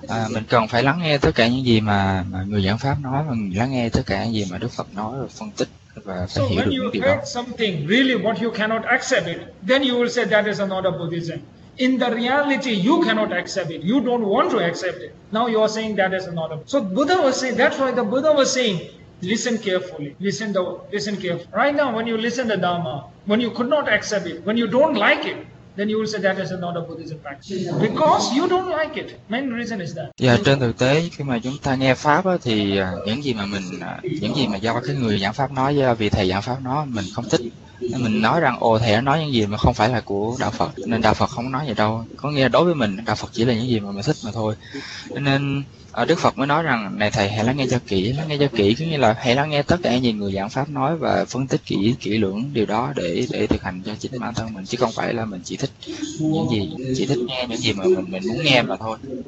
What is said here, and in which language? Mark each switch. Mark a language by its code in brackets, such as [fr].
[vi] Mình cần phải lắng nghe tất cả những gì mà người giảng pháp nói, mình lắng nghe tất cả những gì mà Đức Phật nói và phân tích. [en] So when you heard something really what you cannot accept it, then you will say that is another Buddhism. In the reality, you cannot accept it. You don't want to accept it. Now you are saying that is another. So Buddha was saying, that's why the Buddha was saying, listen carefully. Listen carefully. Right now, when you listen to Dharma, when you could not accept it, when you don't like it, then you will say that is another Buddhism practice. Because you don't like it. Main reason is that. [vi] Yeah, trên thực tế, khi mà chúng ta nghe Pháp á, thì những gì mà do cái người giảng Pháp nói, do vị thầy giảng Pháp nói, mình không thích. Mình nói rằng ồ thầy đã nói những gì mà không phải là của đạo Phật, nên đạo Phật không nói gì đâu. Có nghĩa là đối với mình đạo Phật chỉ là những gì mà mình thích mà thôi. Nên Đức Phật mới nói rằng này thầy hãy lắng nghe cho kỹ, có nghĩa là hãy lắng nghe tất cả những gì người giảng pháp nói và phân tích kỹ lưỡng điều đó để thực hành cho chính bản thân mình, chứ không phải là mình chỉ thích nghe những gì mà mình muốn nghe mà thôi.